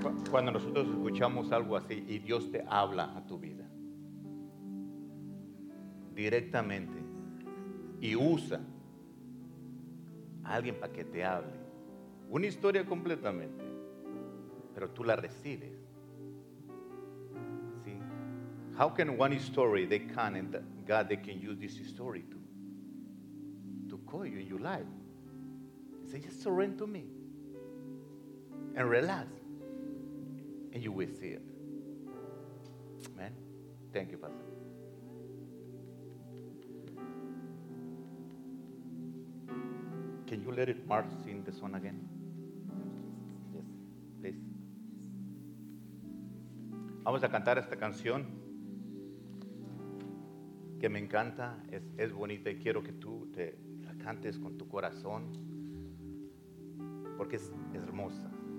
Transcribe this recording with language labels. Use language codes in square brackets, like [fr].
[es] Cuando nosotros escuchamos algo así y Dios te habla a tu vida directamente y usa a alguien para que te hable una historia completamente, pero tú la recibes. ¿Sí? [en] How can one story they can and God they can use this story to call you in your life? Say, just surrender to me and relax. And you will see it. Amen. Thank you, Pastor. Can you let it march in the sun again? Yes, please. [es] Vamos a cantar esta canción que me encanta. Es bonita y quiero que tú te la cantes con tu corazón porque es hermosa.